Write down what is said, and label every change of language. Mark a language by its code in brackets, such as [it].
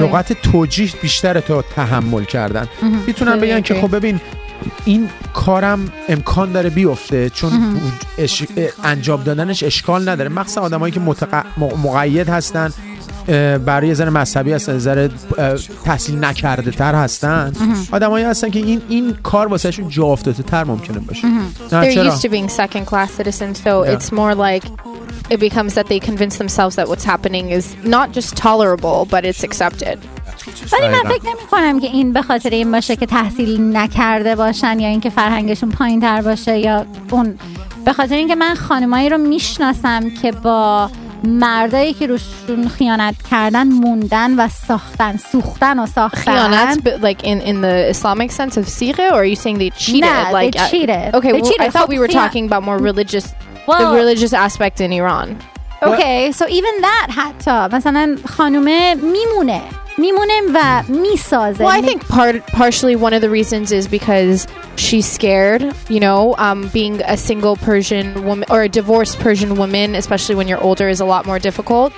[fa] لغت توجیه بیشتر تا تحمل کردن. میتونن بگن که خب ببین این کارم امکان داره بیفته چون انجام دادنش اشکال نداره، مخصوصا آدمایی که مقید هستن، برای زن مذهبی هستن، نظر تحصیل نکرده تر هستن، آدمایی هستن که این کار واسه شون جا افتاده تر ممکنه باشه. [en] They're used to being second class citizens, so yeah. It's more like it becomes that they convince themselves that what's happening is not just tolerable but it's accepted. [fa] ولی من فکر نمی کنم که این به خاطر این باشه که تحصیل نکرده باشن یا اینکه فرهنگشون پایین تر باشه یا اون، به خاطر اینکه من خانمایی رو میشناسم که با مردایی که روشون خیانت کردن موندن و ساختن، سوختن و ساختن. [en] خیانت but like in the Islamic sense of sigha, or are you saying they cheated? [fa] نه, [en] like they cheated. Okay, they cheated. Well, I thought we were talking about more religious, the religious aspect in Iran. Okay, so even that [fa] حتی مثلا خانومه میمونه. [en] Well, I think partially one of the reasons is because she's scared, you know, being a single Persian woman or a divorced Persian woman, especially when you're older, is a lot more difficult.